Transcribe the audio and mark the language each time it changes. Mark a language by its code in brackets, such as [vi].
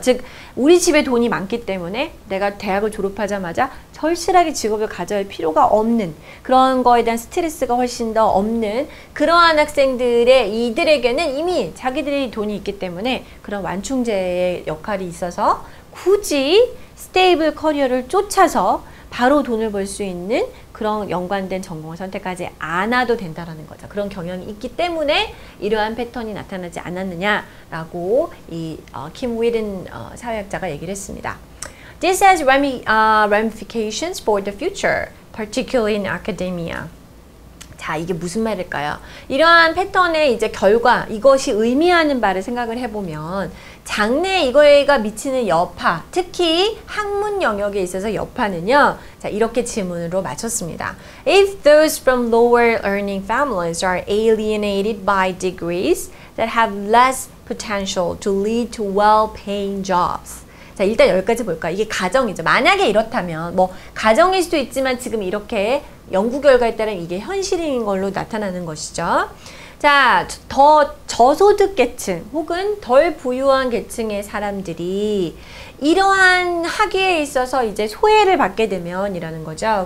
[ko] 즉, 우리 집에 돈이 많기 때문에 내가 대학을 졸업하자마자 절실하게 직업을 가져야 필요가 없는 그런 거에 대한 스트레스가 훨씬 더 없는 그러한 학생들의 이들에게는 이미 자기들이 돈이 있기 때문에 그런 완충제의 역할이 있어서 굳이 스테이블 커리어를 쫓아서 바로 돈을 벌 수 있는 그런 연관된 전공을 선택하지 않아도 된다라는 거죠. 그런 경향이 있기 때문에 이러한 패턴이 나타나지 않았느냐라고 이 킴 위든 사회학자가 얘기를 했습니다. [en] This has ramifications for the future, particularly in academia. [ko] 자, 이게 무슨 말일까요? 이러한 패턴의 이제 결과, 이것이 의미하는 바를 생각을 해보면 장래에 이거에가 미치는 여파, 특히 학문 영역에 있어서 여파는요. 자, 이렇게 질문으로 마쳤습니다. [en] If those from lower earning families are alienated by degrees that have less potential to lead to well-paying jobs. [ko] 자, 일단 여기까지 볼까요? 이게 가정이죠. 만약에 이렇다면, 뭐, 가정일 수도 있지만 지금 이렇게 연구 결과에 따른 이게 현실인 걸로 나타나는 것이죠. 자, 더 저소득 계층 혹은 덜 부유한 계층의 사람들이 이러한 학위에 있어서 이제 소외를 받게 되면 이라는 거죠.